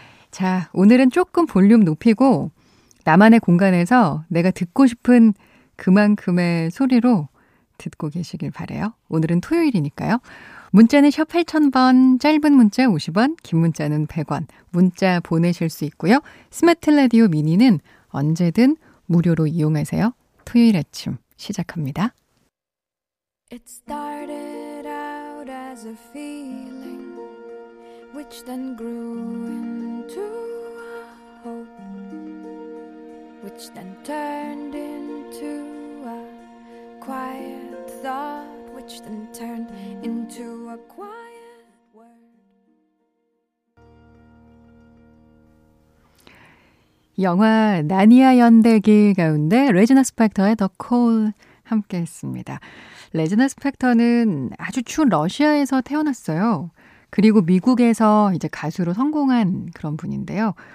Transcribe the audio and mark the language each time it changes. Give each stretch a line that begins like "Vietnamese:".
Korean: 자 오늘은 조금 볼륨 높이고 나만의 공간에서 내가 듣고 싶은 그만큼의 소리로 듣고 계시길 바래요. 오늘은 토요일이니까요. 문자는 샵 8000번, 짧은 문자 50원, 긴 문자는 100원. 문자 보내실 수 있고요. 스마트 라디오 미니는 언제든 무료로 이용하세요. 토요일 아침 시작합니다.
English: It started out as a feeling which then grew into a hope which then turned into a quiet thought which then turned into a quiet word.
Korean: 영화 나니아 연대기 가운데 레지나 스펙터의 The Call 함께 했습니다. 레지나 스펙터는 아주 추운 러시아에서 태어났어요. 그리고 미국에서 이제 가수로 성공한 그런 분인데요.